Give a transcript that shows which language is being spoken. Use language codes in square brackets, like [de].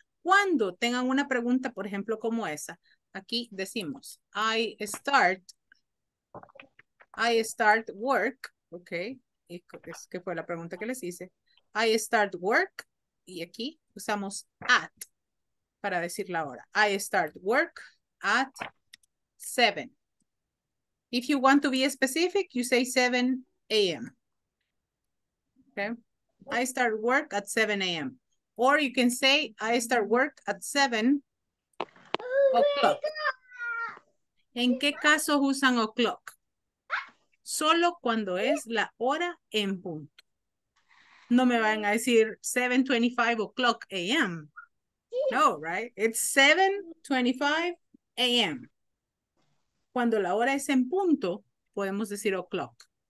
[es] Cuando tengan una pregunta, por ejemplo, como esa, aquí decimos, [en] I start work, [es] okay. Y es que fue la pregunta que les hice. [en] I start work, [es] y aquí usamos at para decir la hora. [en] I start work at 7. If you want to be specific, you say 7 a.m., okay. I start work at 7 a.m. Or you can say, I start work at 7 o'clock. [es] ¿En qué caso usan o'clock? Solo cuando es la hora en punto. No me van a decir 7:25 o'clock a.m. No, right? [en] It's 7:25 a.m. [es] Cuando la hora es en punto, podemos decir o'clock.